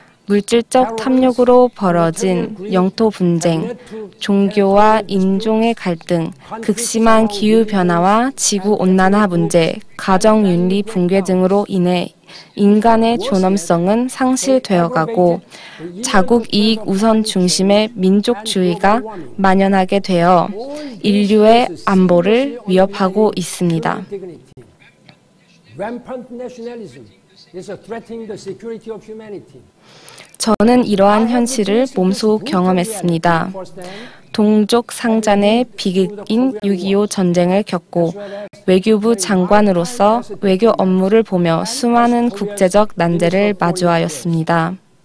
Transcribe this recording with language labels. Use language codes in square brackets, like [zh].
[ko] 물질적 탐욕으로 벌어진 영토 분쟁, 종교와 인종의 갈등, 극심한 기후변화와 지구온난화 문제, 가정윤리 붕괴 등으로 인해 인간의 존엄성은 상실되어가고 자국 이익 우선 중심의 민족주의가 만연하게 되어 인류의 안보를 위협하고 있습니다. [en] Rampant nationalism is threatening the security of humanity. [ko] 저는 이러한 현실을 몸소 경험했습니다. 동족 상잔의 비극인 6.25 전쟁을 겪고 외교부 장관으로서 외교 업무를 보며 수많은 국제적 난제를 마주하였습니다.